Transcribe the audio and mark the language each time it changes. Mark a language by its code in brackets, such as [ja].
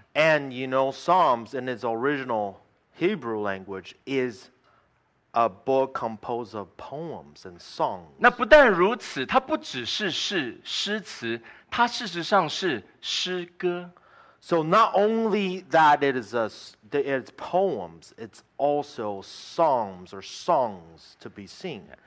[en] And you know, Psalms in its original Hebrew language is a book composed of poems and songs. [zh] 那不但如此，它不只是诗词，它事实上是诗歌。 [en] So not only that it's poems, it's also psalms or songs to be sung.